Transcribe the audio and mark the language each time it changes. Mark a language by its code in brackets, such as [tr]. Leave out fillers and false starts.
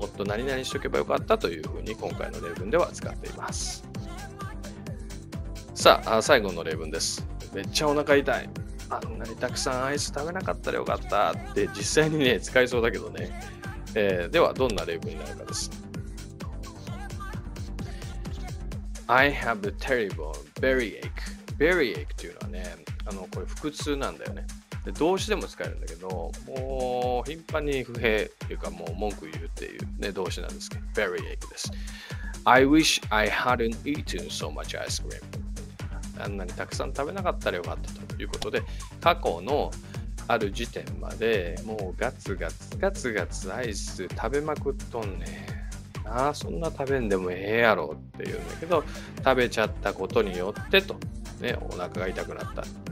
[ja] もっと何々しとけばよかったというふうに今回の例文では使っています。さあ、最後の例文です。めっちゃお腹痛い、あんなにたくさんアイス食べなかったらよかったって実際にね使いそうだけどね、ではどんな例文になるかです。 [en] I have a terrible belly ache. [ja] Belly ache というのはね、これ腹痛なんだよね。で、動詞でも使えるんだけど、もう頻繁に不平というか、もう文句言うっていう、ね、動詞なんですけど、belly ache です。 [en] I wish I hadn't eaten so much ice cream. [ja] あんなにたくさん食べなかったらよかったということで、過去のある時点までもうガツガツガツガツアイス食べまくっとんね。ああ、そんな食べんでもええやろって言うんだけど、食べちゃったことによってと、ね、お腹が痛くなった。